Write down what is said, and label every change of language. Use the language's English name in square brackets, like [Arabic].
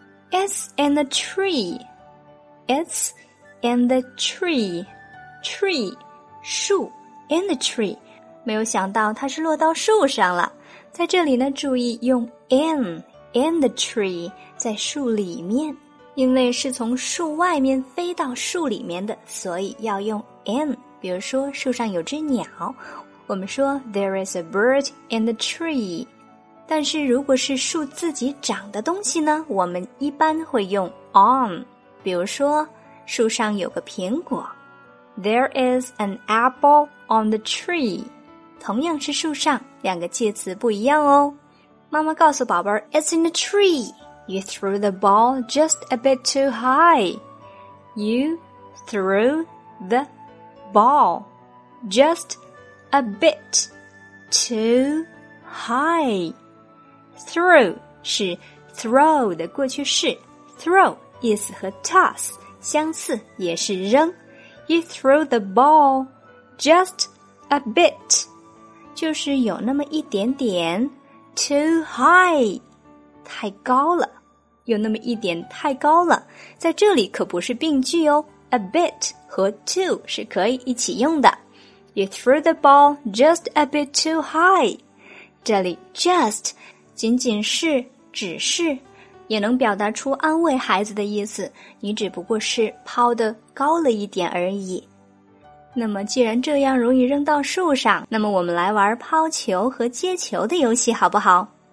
[English] It's in the tree, it's in the tree. Tree, 树 in the tree. [Chinese] 没有想到它是落到树上了。在这里呢，注意用 [English] in the tree, [Chinese] 在树里面，因为是从树外面飞到树里面的，所以要用 in。比如说树上有只鸟，我们说 [English] there is a bird in the tree。 [Chinese] 但是如果是树自己长的东西呢，我们一般会用 on。比如说树上有个苹果， [English] there is an apple on the tree。 [Chinese] 同样是树上，两个介词不一样哦。妈妈告诉宝贝儿 [English] It's in the tree. You threw the ball just a bit too high. You threw the ball just a bit too high. [Chinese] Throw 是 throw 的过去式， throw 意思和 toss 相似，也是扔。 [English] You threw the ball just a bit， [Chinese] 就是有那么一点点。 [English] Too high, [Chinese] 太高了，有那么一点太高了。在这里可不是病句哦， a bit 和 too 是可以一起用的。 [English] You threw the ball just a bit too high. [Chinese] 这里 just 仅仅是只是，也能表达出安慰孩子的意思，你只不过是抛得高了一点而已。那么既然这样容易扔到树上，那么我们来玩抛球和接球的游戏好不好？